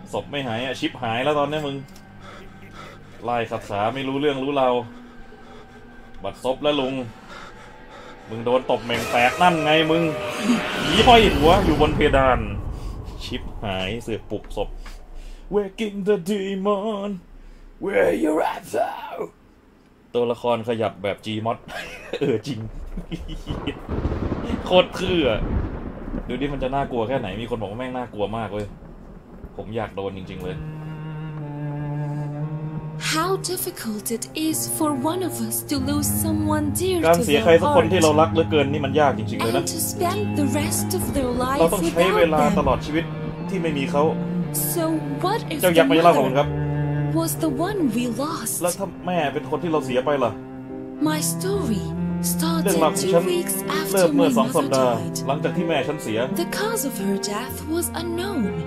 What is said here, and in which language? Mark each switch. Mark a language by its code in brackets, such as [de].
[th] ไม่หายอะชิปหายแล้วตอนนี้มึงไล่ขับขาไม่รู้เรื่องรู้ราวบัดซบแล้วลุงมึงโดนตบแม่งแตกนั่นไงมึงหีห้อยหัวอยู่บนเพดานชิปหายเสือปลุกศพ [en] Waking the demon Where you at now [th] ตัวละครขยับแบบ Gmod เออจริง โคตรคืออ่ะดูดิมันจะน่ากลัวแค่ไหนมีคนบอกว่าแม่งน่ากลัวมากเว้ยผมอยากโดนจริงๆเลย [en] How difficult it is for one of us to lose someone dear to our [th] การเสียใครสักคนที่เรารักเหลือเกินนี่มันยากจริงๆเลยนะ [en] And to spend the rest of their life without them [th] เราต้องใช้เวลาตลอดชีวิตที่ไม่มีเขา [en] So what if [th] เจ้าอยากไปเล่าของครับ [en] Was the one we lost [th] แล้วถ้าแม่เป็นคนที่เราเสียไปล่ะ [en] My story started 2 weeks after my mother died [th] เมื่อ2สัปดาห์หลังจากที่แม่ฉันเสีย [en] The cause of her death was unknown